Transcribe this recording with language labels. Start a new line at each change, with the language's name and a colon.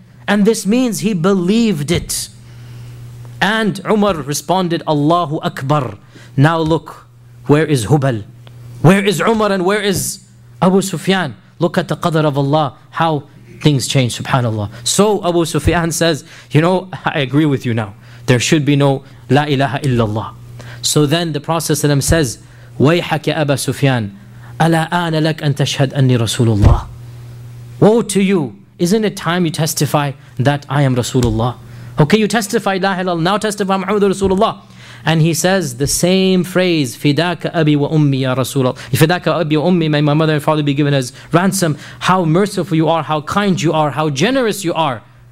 English: And this means he believed it. And Umar responded, Allahu Akbar. Now look, where is Hubal? Where is Umar and where is Abu Sufyan? Look at the qadr of Allah, how things change, subhanAllah. So Abu Sufyan says, you know, I agree with you now. There should be no
Arabic: la ilaha illallah.
English: So then the Prophet ﷺ says,
Arabic: وَيْحَكَ أَبَا سُفْيَانَ أَلَا آنَ لَكَ أَن تَشْهَدْ أَنِّي رَسُولُ اللَّهِ.
English: Woe to you! Isn't it time you testify that I am Rasulullah? Okay, you testify,
Arabic: La ilaha illa,
English: now testify
Arabic: Muhammadur Rasulullah.
English: And he says the same phrase,
Arabic: Fidaka abi wa ummi ya Rasulullah. Fidaka abi wa ummi,
English: may my mother and father be given as ransom. How merciful you are, how kind you are, how generous you are.